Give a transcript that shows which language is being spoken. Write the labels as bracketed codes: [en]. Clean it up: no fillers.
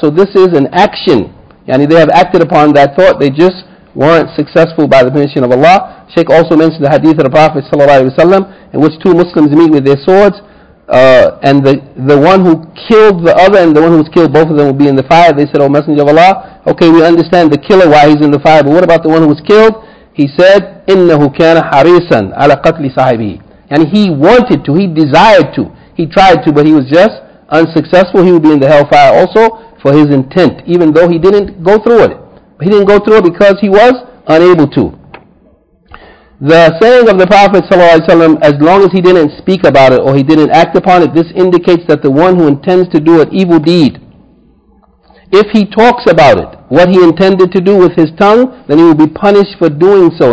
[en] So this is an action. Yani they have acted upon that thought, they just weren't successful by the permission of Allah. Shaykh also mentioned the hadith of the Prophet ﷺ, in which two Muslims meet with their swords, and the one who killed the other and the one who was killed, both of them will be in the fire. They said, O Messenger of Allah, okay, we understand the killer, why he's in the fire, but what about the one who was killed? [ar] He said, إِنَّهُ كَانَ حَرِيسًا عَلَى قَتْلِ صَاحِبِهِ. [en] And he wanted to, he desired to, he tried to, but he was just unsuccessful. He would be in the hellfire also for his intent, even though he didn't go through it. He didn't go through it because he was unable to. The saying of the Prophet ﷺ, as long as he didn't speak about it or he didn't act upon it, this indicates that the one who intends to do an evil deed, if he talks about it, what he intended to do with his tongue, then he will be punished for doing so.